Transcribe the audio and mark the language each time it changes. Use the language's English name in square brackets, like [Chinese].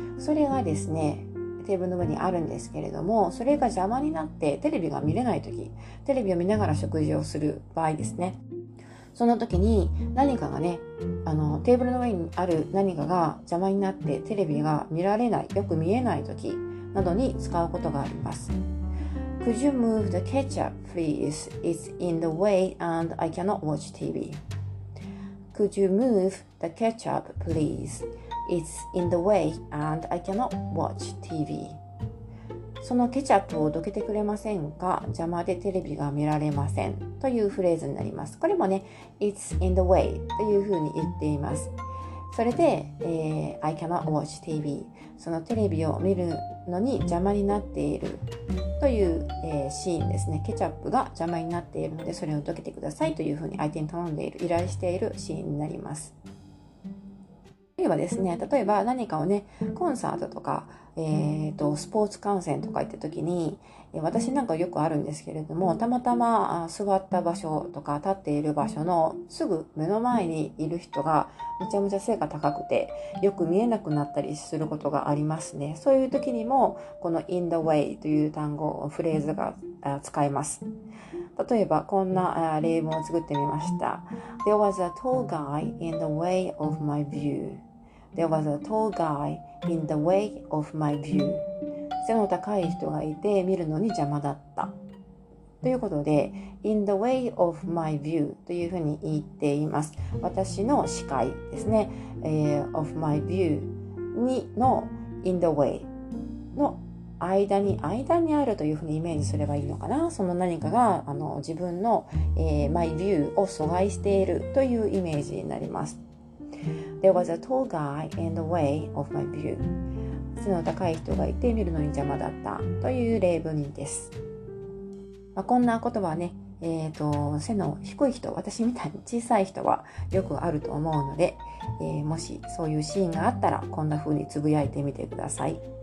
[Japanese] それがですね、テーブルの上にあるんですけれども、それが邪魔になってテレビが見れない時、テレビを見ながら食事をする場合ですね、その時に何かがね、テーブルの上にある何かが邪魔になってテレビが見られない、よく見えない時などに使うことがあります。 [English] Could you move the ketchup please? It's in the way and I cannot watch TV. Could you move the ketchup please? It's in the way and I cannot watch TV. [Japanese] そのケチャップをどけてくれませんか?邪魔でテレビが見られません。というフレーズになります。これもね、 [English] It's in the way [Japanese] というふうに言っています。 [English] それで、I cannot watch TV. [Japanese] そのテレビを見るのに邪魔になっているという、シーンですね。ケチャップが邪魔になっているので、それをどけてくださいというふうに相手に頼んでいる、依頼しているシーンになります。例えばですね、例えば何かをね、コンサートとか、スポーツ観戦とか行った時に、私なんかよくあるんですけれども、たまたま座った場所とか立っている場所のすぐ目の前にいる人がめちゃめちゃ背が高くてよく見えなくなったりすることがありますね。そういう時にも、この [English] in the way [Japanese] という単語、フレーズが使えます。例えばこんな例文を作ってみました。 [English] There was a tall guy in the way of my view. There was a tall guy in the way of my view. [Japanese] 背の高い人がいて見るのに邪魔だった。ということで、 [English] in the way of my view [Japanese] というふうに言っています。私の視界ですね。 [English] of my view [Japanese] にの [English] in the way [Japanese] の間に、間にあるというふうにイメージすればいいのかな。その何かが自分の、 [English] my view [Japanese] を阻害しているというイメージになります。 [English] There was a tall guy in the way of my view. [Japanese] 背の高い人がいて見るのに邪魔だったという例文です。まあ、こんな言葉ね、背の低い人、私みたいに小さい人はよくあると思うので、もしそういうシーンがあったらこんなふうにつぶやいてみてください。